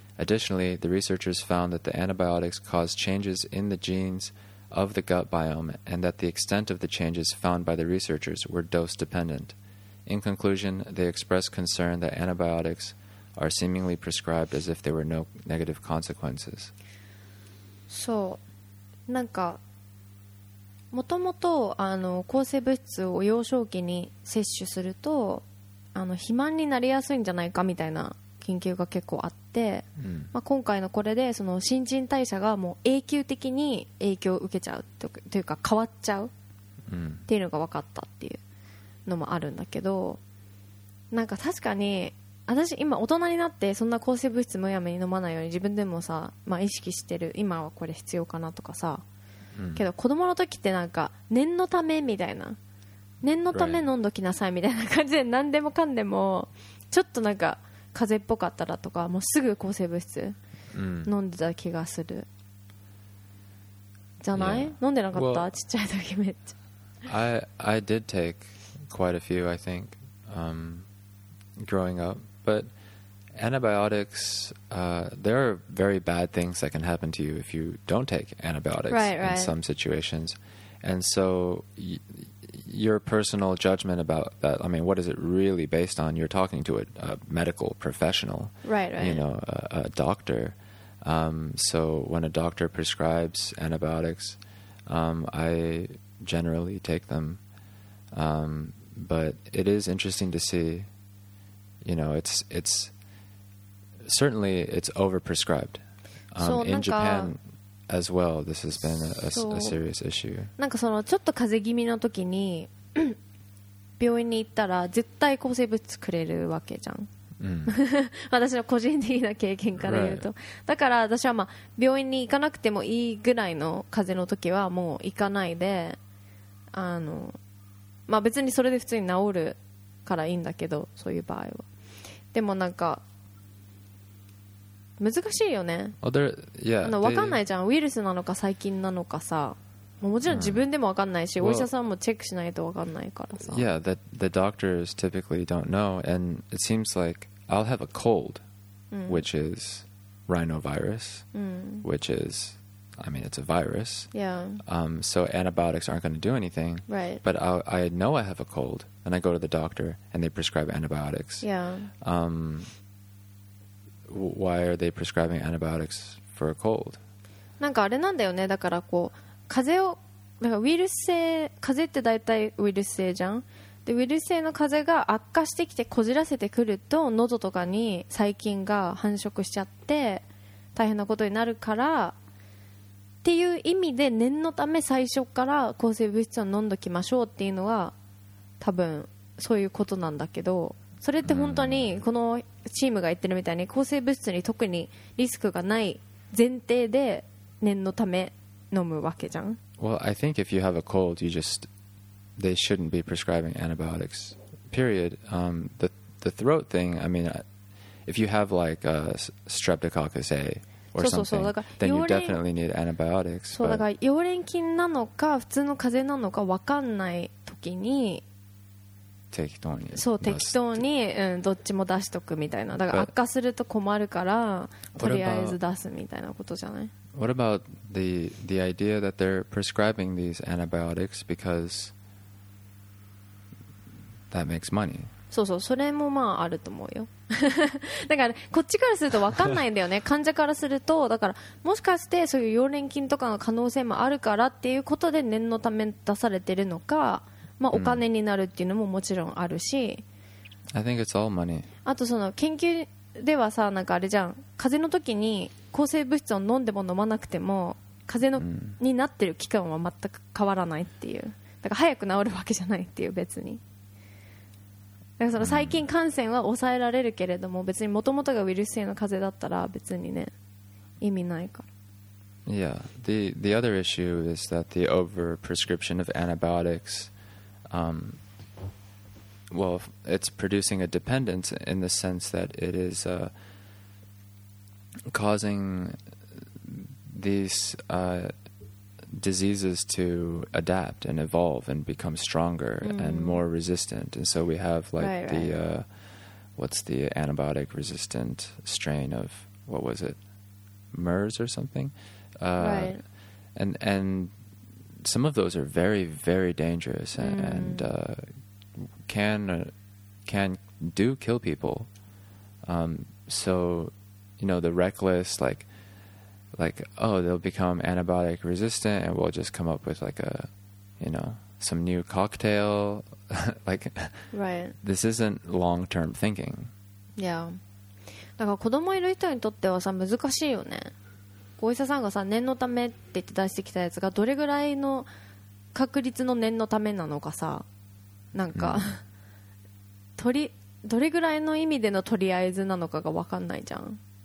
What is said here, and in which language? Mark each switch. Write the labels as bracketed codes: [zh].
[en] Additionally, the researchers found that the antibiotics caused changes in the genes of the gut biome and that the extent of the changes found by the researchers were dose-dependent. In conclusion, they expressed concern that antibiotics are seemingly prescribed as if there were no negative consequences. [ja] So, なんか、もともと、あの、抗生物質を幼少期に摂取すると、あの、肥満になりやすいんじゃないかみたいな研究が結構あって、まあ、今回のこれでその新陳代謝がもう永久的に影響を受けちゃうというか変わっちゃうっていうのが分かったっていうのもあるんだけど、なんか確かに私今大人になってそんな抗生物質むやみに飲まないように自分でもさ、まあ、意識してる、今はこれ必要かなとかさ、けど子供の時ってなんか念のためみたいな、念のため飲んどきなさいみたいな感じで何でもかんでもちょっとなんか風邪っぽかったらとかもうすぐ抗生物質飲んでた気がするじゃない、飲んでなかった、ちっちゃい時めっちゃ [en] I did take quite a few I think、growing up, but antibiotics、there are very bad things that can happen to you if you don't take antibiotics right. in some situations, and so your personal judgment about that, I mean, what is it really based on? You're talking to a medical professional, right. You know, a doctor. So when a doctor prescribes antibiotics, I generally take them. But it is interesting to see, you know, it's certainly it's overprescribed. In Japan as well, this has been a serious issue. [ja] なんかそのちょっと風邪気味の時に病院に行ったら絶対抗生物質くれるわけじゃん、私の個人的な経験から言うと、 [en] right. [ja] だから私はまあ病院に行かなくてもいいぐらいの風邪の時はもう行かないで、あの、まあ、別にそれで普通に治るからいいんだけど、そういう場合はでもなんか難しいよね。 Oh, わかんないじゃん。ウイルスなのか細菌なのかさ。もちろん自分でも分かんないし、お医者さんもチェックしないと分かんないからさ。 [en] Yeah, the doctors typically don't know, and it seems like I'll have a cold, which is rhinovirus, which is, I mean, it's a virus. Yeah. So antibiotics aren't going to do anything. Right. But I know I have a cold, and I go to the doctor, and they prescribe antibiotics. Yeah. Why are they prescribing antibiotics for a cold? [ja] なんかあれなんだよね。だからこう風邪を、なんかウイルス性、風邪って大体ウイルス性じゃん。でウイルス性の風邪が悪化してきてこじらせてくると喉とかに細菌が繁殖しちゃって大変なことになるからっていう意味で、念のため最初から抗生物質を飲んどきましょうっていうのは多分そういうことなんだけど、それって本当にこのチームが言ってるみたいに抗生物質に特にリスクがない前提で念のため飲むわけじゃん。 [en] Well, I think if you have a cold, you just they shouldn't be prescribing antibiotics. Period. The throat thing, I mean, if you have like a streptococcus A or something, then you definitely need antibiotics. [ja] そうだから溶連菌なのか普通の風邪なのか分かんない時に適当に、そう適当に、うん、どっちも出しとくみたいな。だから悪化すると困るからとりあえず出すみたいなことじゃない。 [en] What about the idea that they're prescribing these antibiotics because that makes money? [ja] そうそう、それもまああると思うよ。だからこっちからすると分かんないんだよね。患者からすると、だからもしかしてそういう溶連菌とかの可能性もあるからっていうことで念のため出されてるのか、まあ、お金になるっていうのももちろんあるし、 [en] I think it's all money. [ja] あとその研究ではさ、なんかあれじゃん、風邪の時に抗生物質を飲んでも飲まなくても風邪の、になってる期間は全く変わらないっていう、だから早く治るわけじゃないっていう、別にだからその細菌感染は抑えられるけれども、別にもともとがウイルス性の風邪だったら別にね意味ないから。 [en] Yeah, the other issue is that the overprescription of antibioticsWell, it's producing a dependence in the sense that it is causing these diseases to adapt and evolve and become stronger and more resistant. And so we have like what's the antibiotic resistant strain of, what was it? MERS or something? And some of those are very, very dangerous and can do kill people. So, you know, the reckless, like, oh, they'll become antibiotic resistant and we'll just come up with like a, you know, some new cocktail. Like, right. This isn't long-term thinking. Yeah. [ja] だから子供いる人にとってはさ、難しいよね。お医者さんがさ、念のためって言って出してきたやつがどれぐらいの確率の念のためなのかさ、なんか、どれぐらいの意味でのとりあえずなのかが分かんないじゃん。